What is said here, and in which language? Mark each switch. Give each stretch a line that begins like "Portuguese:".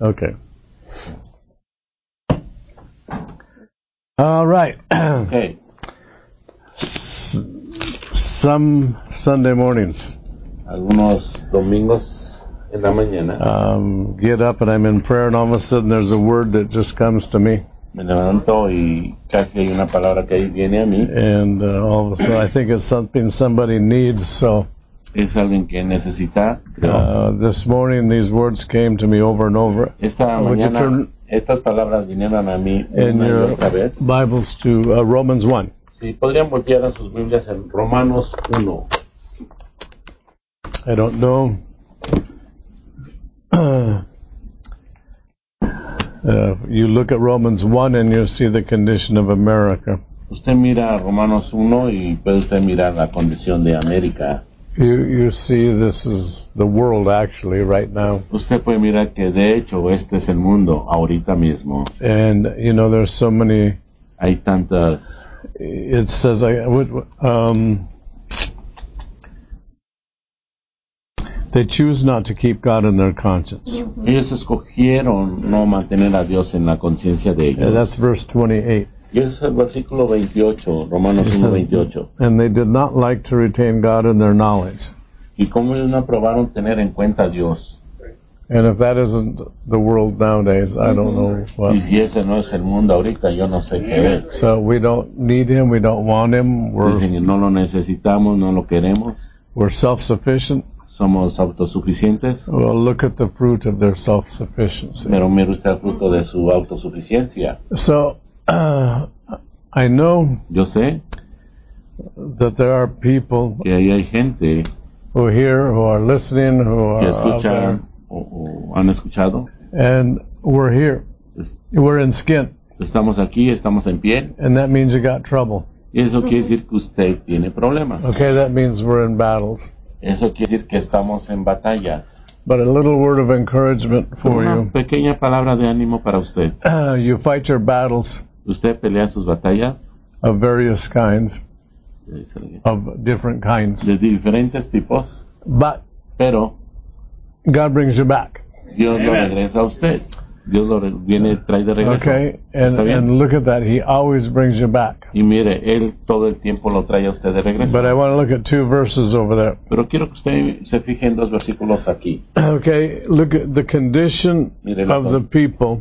English: Okay. All right. Okay. Some Sunday mornings.
Spanish: Algunos domingos en la mañana.
English: Get up and I'm in prayer and all of a sudden there's a word that just comes to me.
Spanish: Me levanto y casi hay una palabra que ahí viene a mí.
English: And all of a sudden, I think it's something somebody needs, so.
Spanish: Es alguien que necesita, creo.
English: This morning, these words came to me over and over.
Spanish: Esta mañana,
English: turn,
Spanish: estas palabras vinieron a mí
English: in
Spanish: una
English: your
Spanish: otra vez.
English: Bibles to Romans 1.
Spanish: Sí, podrían voltear a sus Biblias en Romanos 1.
English: I don't know. You look at Romans 1 and you see the condition of America.
Spanish: Usted mira Romanos 1 y puede usted mirar la condición de América.
English: You see this is the world actually right now.
Spanish: Usted puede mirar que de hecho este es el mundo ahorita mismo.
English: And you know there's so many.
Spanish: Hay tantas.
English: It says I would They choose not to keep God in their conscience.
Spanish: Ellos escogieron no mantener a Dios en la conciencia de ellos.
English: And that's verse 28.
Spanish: Y ese es el versículo 28, Romanos 1:28.
English: And they did not like to retain God in their knowledge.
Spanish: Y cómo ellos no aprobaron tener en cuenta a Dios.
English: And if that isn't the world nowadays, I don't know what.
Spanish: Y si ese no es el mundo ahorita, yo no sé qué es.
English: So we don't need him, we don't want him.
Spanish: Dicen, no lo necesitamos, no lo queremos.
English: We're self-sufficient.
Spanish: Somos autosuficientes.
English: Well, look at the fruit of their self-sufficiency.
Spanish: Pero mira usted el fruto de su autosuficiencia.
English: So, I know.
Spanish: Yo sé.
English: That there are people.
Spanish: Que ahí hay gente.
English: Who hear, who are listening, who are
Spanish: escuchan,
English: out there.
Spanish: O han escuchado.
English: And we're here. We're in skin.
Spanish: Estamos aquí, estamos en piel.
English: And that means you got trouble.
Spanish: Eso quiere decir que usted tiene problemas.
English: Okay, that means we're in battles.
Spanish: Eso quiere decir que estamos en batallas.
English: But a little word of encouragement for
Spanish: una
English: you.
Spanish: Una pequeña palabra de ánimo para usted.
English: You fight your battles.
Spanish: Usted pelea sus batallas.
English: Of various kinds. Of different kinds.
Spanish: De diferentes tipos.
English: But.
Spanish: Pero.
English: God brings you back.
Spanish: Dios lo regresa a usted. Dios lo viene, trae de regreso.
English: Okay, and look at that. He always brings you back.
Spanish: Y mire, él todo el tiempo lo trae a usted de regreso.
English: But I want to look at two verses over there.
Spanish: Pero quiero que usted se fije en dos versículos aquí.
English: Okay, look at the condition of the people.